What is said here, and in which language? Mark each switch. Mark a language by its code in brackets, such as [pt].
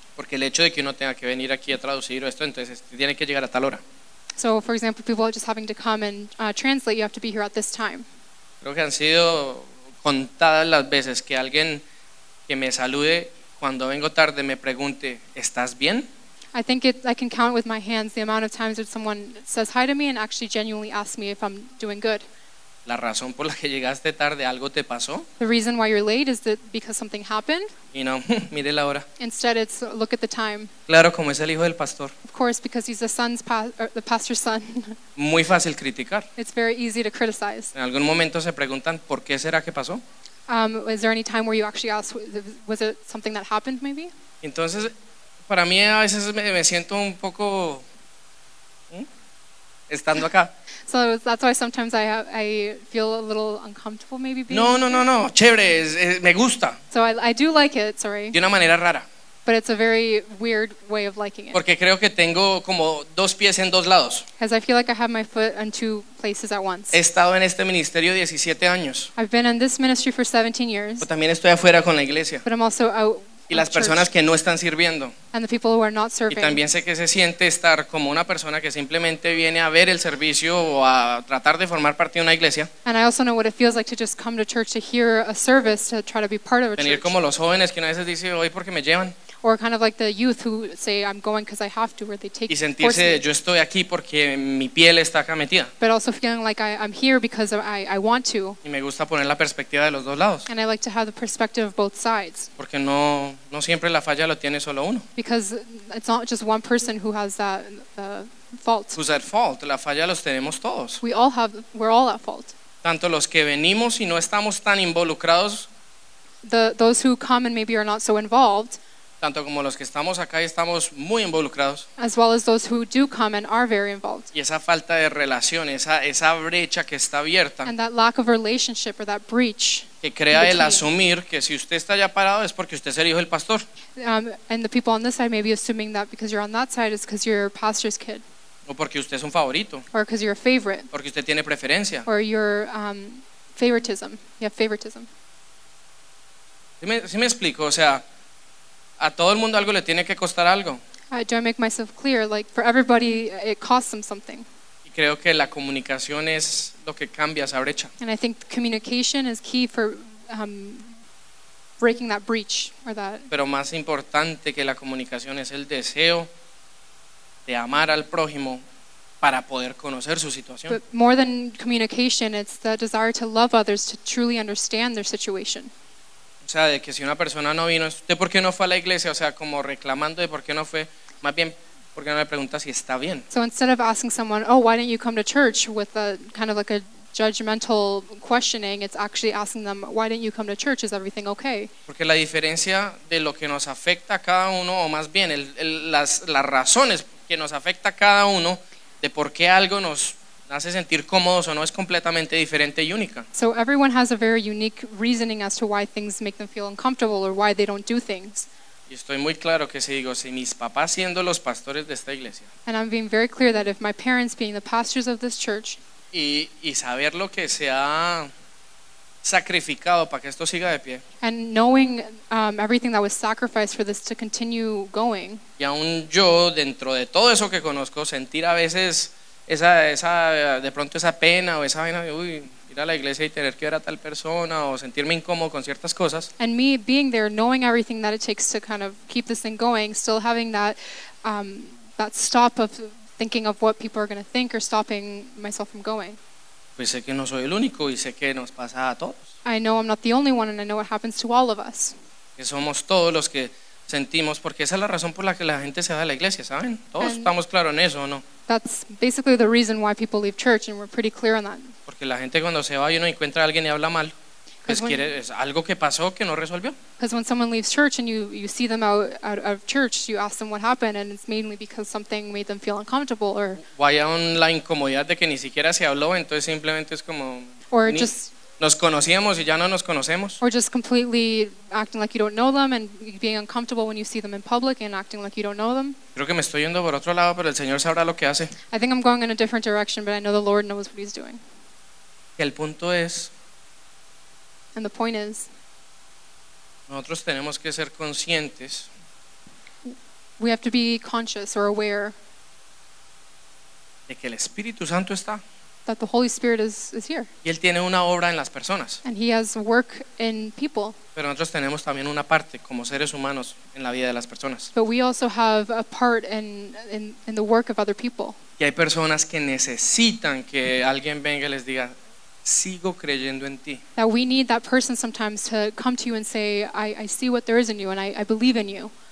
[es] Porque el hecho de que uno tenga que venir aquí a traducir esto, entonces tiene que llegar a tal hora. [en] So, for example, people just having to come and translate, you have to be here at this time. [es] Creo que han sido contadas las veces que alguien que me salude cuando vengo tarde me pregunte, ¿estás bien? [en] I can count with my hands the amount of times that someone says hi to me and actually genuinely asks me if I'm doing good. [es] La razón por la que llegaste tarde, ¿algo te pasó? [en] The reason why you're late is that because something happened. [es] Y no, mire la hora. [en] Instead, it's look at the time. [es] Claro, como es el hijo del pastor. [en] Of course, because he's the pastor's son. [es] Muy fácil criticar. [en] It's very easy to criticize. [es] En algún momento se preguntan, ¿por qué será que pasó? [en] Is there any time where you actually ask, was it something that happened maybe? [es] Entonces, para mí a veces me siento un poco estando acá. [en] So that's why sometimes I feel a little uncomfortable maybe being. [es] No, chévere, me gusta. [en] So I do like it, sorry. [es] De una manera rara. [en] But it's a very weird way of liking it. [es] Porque creo que tengo como dos pies en dos lados. [en] Because I feel like I have my foot in two places at once. [es] He estado en este ministerio 17 años. [en] I've been in this ministry for 17 years. [es] Pero también estoy afuera con la iglesia. [en] But I'm also out. [es] Y las personas que no están sirviendo. [en] And the people who are not serving. [es] Y también sé que se siente estar como una persona que simplemente viene a ver el servicio o a tratar de formar parte de una iglesia. [en] And I also know what it feels like to just come to church to hear a service, to try to be part of a church. [es] Venir como los jóvenes que a veces dicen hoy porque me llevan. [en] Or kind of like the youth who say I'm going because I have to, where they take. [es] Y sentirse yo estoy aquí porque mi piel está acá metida. [en] But also feeling like I'm here because I want to. [es] Y me gusta poner la perspectiva de los dos lados. [en] And I like to have the perspective of both sides. [es] Porque no siempre la falla lo tiene solo uno. [en] Because it's not just one person who has that the fault. Who's at fault? [es] La falla los tenemos todos. [en] We're all at fault. [es] Tanto los que venimos y no estamos tan involucrados. [en] Those who come and maybe are not so involved. [es] Tanto como los que estamos acá y estamos muy involucrados. [en] As well as those who do come and are very involved. [es] Y esa falta de relación, esa brecha que está abierta. [en] And that lack of relationship or that breach. [es] Que crea el asumir que si usted está ya parado es porque usted es el hijo del pastor. [en] And the people on this side may be assuming that because you're on that side it's because you're pastor's kid. [es] O porque usted es un favorito. [en] Or because you're a favorite. [es] Porque usted tiene preferencia. [en] Or your favoritism. You have favoritism. [es] ¿Sí me explico? O sea, a todo el mundo algo le tiene que costar algo. [en] Do I make myself clear? Like for everybody, it costs them something. [es] Y creo que la comunicación es lo que cambia esa brecha. [en] And I think communication is key for breaking that breach or that. [es] Pero más importante que la comunicación es el deseo de amar al prójimo para poder conocer su situación. [en] But more than communication, it's the desire to love others to truly understand their situation. [es] O sea, de que si una persona no vino, ¿usted por qué no fue a la iglesia? O sea, como reclamando de por qué no fue, más bien, ¿por qué no le pregunta si está bien? [en] So instead of asking someone, oh, why didn't you come to church, with a kind of like a judgmental questioning, it's actually asking them, why didn't you come to church, is everything okay? [es] Porque la diferencia de lo que nos afecta a cada uno, o más bien, las razones que nos afecta a cada uno, de por qué algo nos hace sentir cómodos o no es completamente diferente y única. [en] So everyone has a very unique reasoning as to why things make them feel uncomfortable or why they don't do things. [es] Y estoy muy claro que si mis papás siendo los pastores de esta iglesia. [en] And I'm being very clear that if my parents being the pastors of this church. [es] Y saber lo que se ha sacrificado para que esto siga de pie. [en] And knowing everything that was sacrificed for this to continue going. [es] Y aún yo dentro de todo eso que conozco sentir a veces esa de pronto esa pena o esa vaina de uy, ir a la iglesia y tener que ver a tal persona o sentirme incómodo con ciertas cosas. [en] And me being there, knowing everything that it takes to kind of keep this thing going, still having that that stop of thinking of what people are going to think or stopping myself from going. [es] Pues sé que no soy el único y sé que nos pasa a todos. [en] I know I'm not the only one and I know it happens to all of us. [es] Que somos todos los que sentimos, porque esa es la razón por la que la gente se va de la iglesia, ¿saben? Todos estamos claros en eso, ¿no? [en] That's basically the reason why people leave church, and we're pretty clear on that. [es] Porque la gente cuando se va y uno encuentra a alguien y habla mal, pues quiere, es algo que pasó que no resolvió. [en] Because when someone leaves church and you see them out of church, you ask them what happened, and it's mainly because something made them feel uncomfortable or. [es] O hay la incomodidad de que ni siquiera se habló, entonces simplemente es como. [en] Or just. [es] Nos conocíamos y ya no nos conocemos. [en] Or just completely acting like you don't know them and being uncomfortable when you see them in public and acting like you don't know them. [es] Creo que me estoy yendo por otro lado, pero el Señor sabrá lo que hace. [en] I think I'm going in a different direction, but I know the Lord knows what he's doing. [es] El punto es. [en] And the point is. [es] Nosotros tenemos que ser conscientes. [en] We have to be conscious or aware. [es] De que el Espíritu Santo está. [en] That the Holy Spirit is here. [es] Y él tiene una obra en las personas. [en] And he has work in people. [es] Pero nosotros tenemos también una parte como seres humanos en la vida de las personas. [en] But we also have a part in the work of other people. [es] Y hay personas que necesitan que alguien venga y les diga, sigo creyendo en ti. [en] That we need that person sometimes to come to you and say, I see what there is in you and I believe in you.